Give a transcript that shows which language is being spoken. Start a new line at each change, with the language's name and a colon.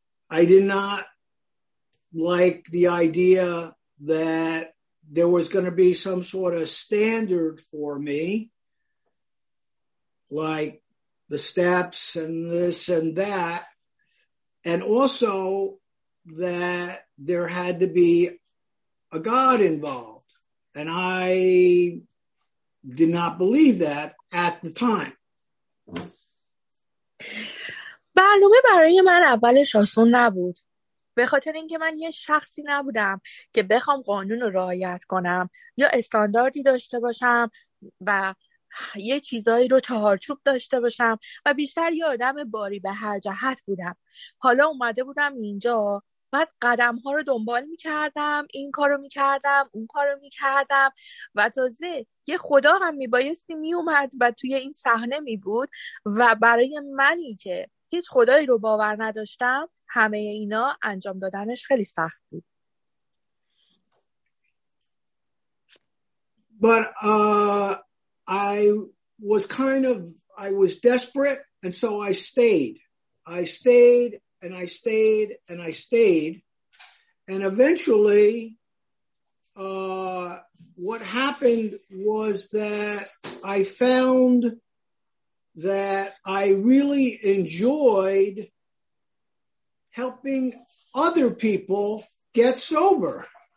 English: I did not like the idea that there was going to be some sort of standard for me, like the steps and this and that. And also that there had to be a God involved. And I did not believe that at the time.
Persian: برنامه برای من اولش آسون نبود، به خاطر اینکه من یه شخصی نبودم که بخوام قانون رو رعایت کنم یا استانداردی داشته باشم و یه چیزایی رو چهارچوب داشته باشم و بیشتر یه آدم باری به هر جهت بودم. حالا اومده بودم اینجا، بعد قدم ها رو دنبال میکردم، این کار رو میکردم، اون کار رو میکردم و تازه یه خدا هم میبایستی میومد و توی این صحنه میبود و برای منی که هیچ خدایی رو باور نداشتم، همه اینا انجام دادنش خیلی سخت بود.
English: But I was desperate and so I stayed. I stayed and I stayed and I stayed and eventually what happened was that I found that I really enjoyed helping other people get sober.